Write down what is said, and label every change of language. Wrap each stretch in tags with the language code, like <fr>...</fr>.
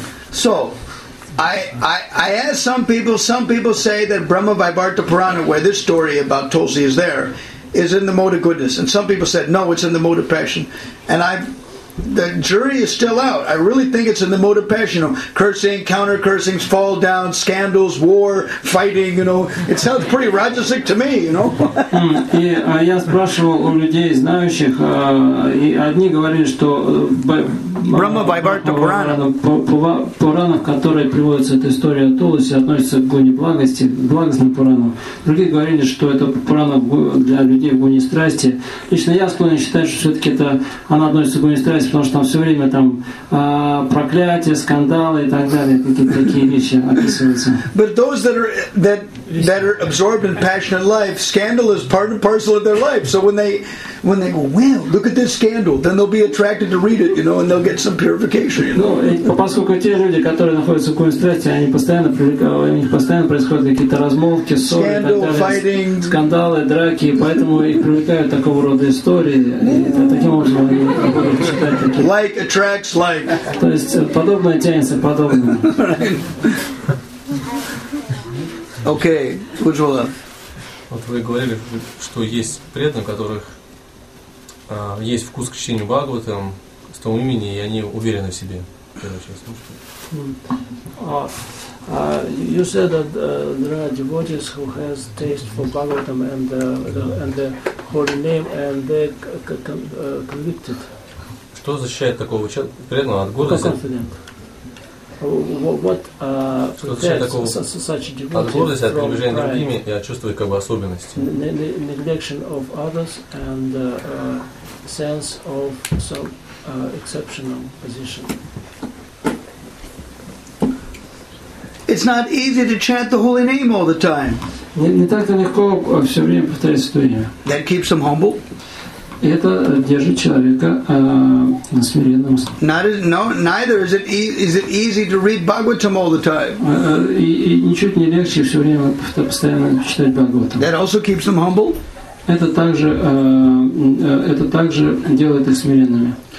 <en>So, I ask some people say that Brahma Vibharata Purana, where this story about Tulsi is there, is in the mode of goodness. And some people said, no, it's in the mode of passion. And the jury is still out. I really think it's in the mode of passion. You know, cursing, counter-cursings, fall down, scandals, war, fighting, you know. It sounds pretty Rajasic to me, you know.</en> <ru>И я спрашивал у людей, знающих, и одни говорили, что Brahma Vibharata Purana. Пурана, в которой приводится эта история о Тулсе, относится к гуне благости, благостным пуранам. Другие говорили, что это пурана для людей в гуне страсти. Лично я склонен считать, что все-таки это она относится к гуне страсти, потому что там все время там проклятия, скандалы и так далее, какие-то такие вещи описываются.</ru> <en>But those that are absorbed in passionate life, scandal is part and parcel of their life. So when they go, well, look at this scandal, then they'll be attracted to read it, you know, and they'll get some purification.</en> <ru>Ну, поскольку те люди, которые находятся в гуне страсти, они постоянно привлекают, у них постоянно происходят какие-то размолвки, ссоры, скандалы, драки, поэтому их привлекают такого рода истории, и таким образом они будут читать такие.</ru> <en>Like attracts like.</en> <ru>То есть подобное тянется подобное. Окей, Уджвала. Вот вы говорили, что есть преданные, у которых есть вкус к чтению Бхагаватам, с того имени, и они уверены в себе.</ru> <en>You said that there are devotees who has taste for Bhagavatam and the holy name, and they convicted.</en> <ru>Что защищает такого преданного от гордости?</ru> <en>What protects such a devotee from pride?</en> <ru>Другими, я чувствую как бы особенности.</ru> <en>Neglection of others and sense of some exceptional position. It's not easy to chant the holy name all the time.</en> <ru>Не так-то легко все время повторять святое.</ru> <en>That keeps them humble.</en> <ru>Это держит человека на смиренном.</ru> <en>Neither is it easy to read Bhagavatam all the time.</en> <ru>И ничуть не легче все время постоянно читать Бхагаватам.</ru> <en>That also keeps them humble.</en> <ru>Это также делает их смиренными.</ru>